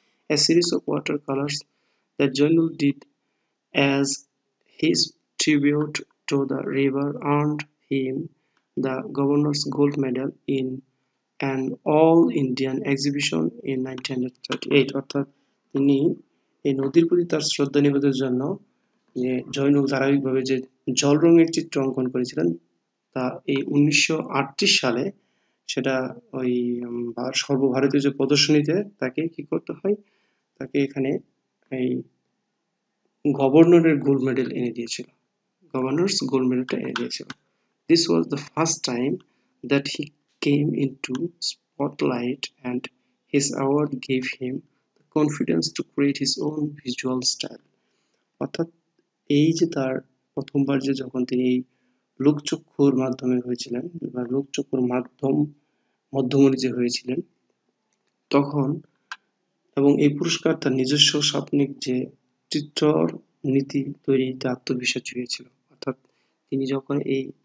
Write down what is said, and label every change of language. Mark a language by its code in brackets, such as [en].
[en] a series of water colours the Zainul did as his tribute to the river earned him the governor's gold medal in an all Indian exhibition ইন 1938, [bn] অর্থাৎ তিনি এই নদীর প্রতি তার শ্রদ্ধা নিবেদনের জন্য যে জয়নুল ধারাবাহিকভাবে যে জল রঙের চিত্র অঙ্কন করেছিলেন তা এই 1938 সালে সেটা ওই সর্বভারতীয় যে প্রদর্শনীতে তাকে কি করতে হয় তাকে এখানে এই গভর্নরের গোল্ড মেডেল এনে দিয়েছিল, গভর্নরস গোল্ড মেডেলটা এনে দিয়েছিল। [en] This was the first time that he came into spotlight, and his award gave him the confidence to create his own visual style. [bn] অর্থাৎ এই যে তার প্রথমবার যে যখন তিনি এই লোকচক্ষুর মাধ্যমে হয়েছিলেন বা লোকচক্ষুর মাধ্যমে যে হয়েছিলেন তখন এবং এই পুরস্কার তার নিজস্ব স্বপ্নিক যে চিত্র নীতি তৈরিতে আত্মবিশ্বাস জুগিয়েছিল অর্থাৎ তিনি যখন এই